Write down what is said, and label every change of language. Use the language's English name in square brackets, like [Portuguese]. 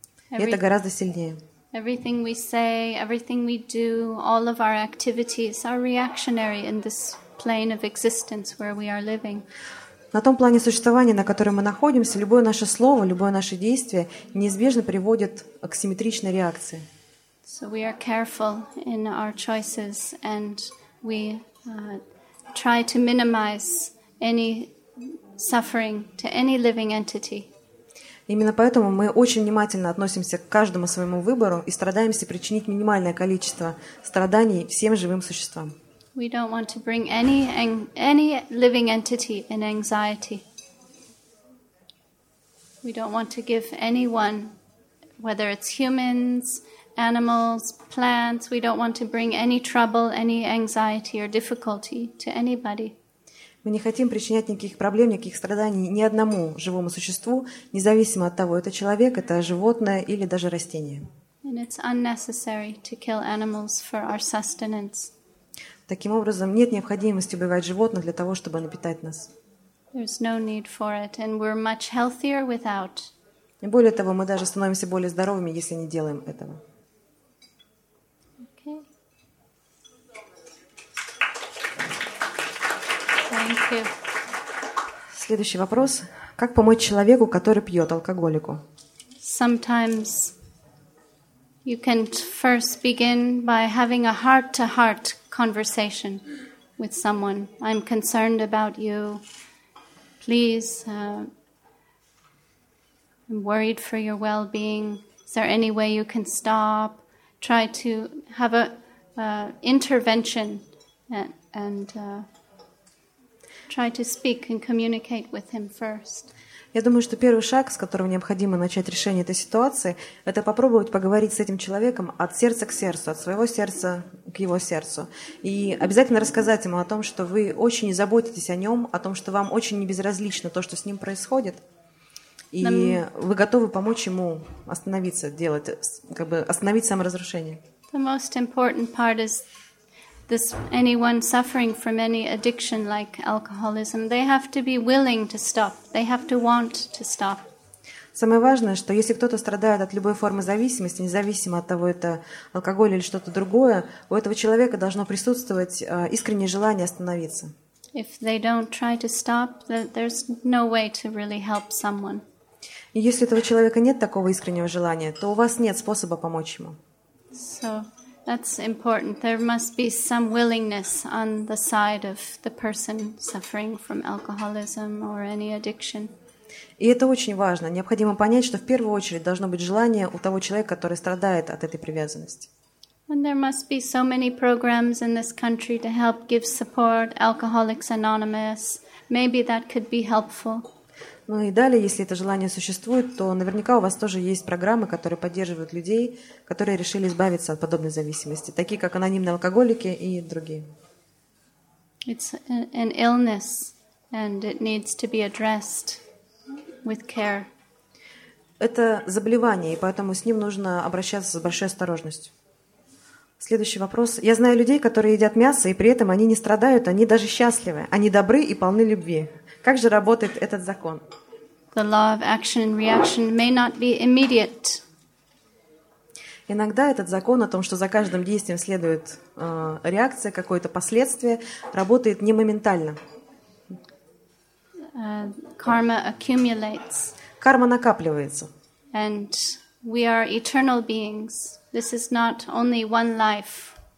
[Russian] И это гораздо сильнее. [English] Everything we say, everything we do, all of our activities are reactionary in this plane of existence where we are living. [Russian] На том плане существования, на котором мы находимся, любое наше слово, любое наше действие неизбежно приводит к симметричной реакции. [English] So we are careful in our choices, and we try to minimize any suffering to any living entity. [Russian] Именно поэтому мы очень внимательно относимся к каждому своему выбору и стараемся причинить минимальное количество страданий всем живым существам. [English] We don't want to bring any living entity in anxiety. We don't want to give anyone, whether it's humans, animals, plants, we don't want to bring any trouble, any anxiety or difficulty to anybody. [Russian] Мы не хотим причинять никаких проблем, никаких страданий ни одному живому существу, независимо от того, это человек, это животное или даже растение. [English] And it's unnecessary to kill animals for our sustenance. [Russian] Таким образом, нет необходимости убивать животных для того, чтобы напитать нас. [English] There's no need for it, and we're much healthier without. [Russian] И более того, мы даже становимся более здоровыми, если не делаем этого. [English] Okay. Thank you. [Russian] Следующий вопрос. Как помочь человеку, который пьет, алкоголику? [English] Sometimes you can first begin by having a heart-to-heart conversation with someone. I'm concerned about you. Please, I'm worried for your well-being. Is there any way you can stop? Try to have a intervention and try to speak and communicate with him first. [Russian] Я думаю, что первый шаг, с которого необходимо начать решение этой ситуации, это попробовать поговорить с этим человеком от сердца к сердцу, от своего сердца к его сердцу. И обязательно рассказать ему о том, что вы очень заботитесь о нем, о том, что вам очень небезразлично то, что с ним происходит. И вы готовы помочь ему остановиться, делать, как бы остановить саморазрушение. [English] The most important part is this: anyone suffering from any addiction like alcoholism, they have to be willing to stop. They have to want to stop. [Russian] Самое важное, что если кто-то страдает от любой формы зависимости, независимо от того, это алкоголь или что-то другое, у этого человека должно присутствовать искреннее желание остановиться. [English] If they don't try to stop, there's no way to really help someone. [Russian] И если у этого человека нет такого искреннего желания, то у вас нет способа помочь ему. [English] So that's important. There must be some willingness on the side of the person suffering from alcoholism or any addiction. [Russian] И это очень важно. Необходимо понять, что в первую очередь должно быть желание у того человека, который страдает от этой привязанности. [English] And there must be so many programs in this country to help give support, Alcoholics Anonymous. Maybe that could be helpful. [Russian] Ну и далее, если это желание существует, то наверняка у вас тоже есть программы, которые поддерживают людей, которые решили избавиться от подобной зависимости, такие как анонимные алкоголики и другие. [English] It's an illness, and it needs to be addressed with care. [Russian] Это заболевание, и поэтому с ним нужно обращаться с большой осторожностью. Следующий вопрос. Я знаю людей, которые едят мясо, и при этом они не страдают, они даже счастливы. Они добры и полны любви. Как же работает этот закон? [English] The law of action and reaction may not be immediate. [Russian] Иногда этот закон о том, что за каждым действием следует реакция, какое-то последствие, работает не моментально. [English] Karma accumulates. [Russian] Карма накапливается. [English] And we are eternal beings. This is not only one life.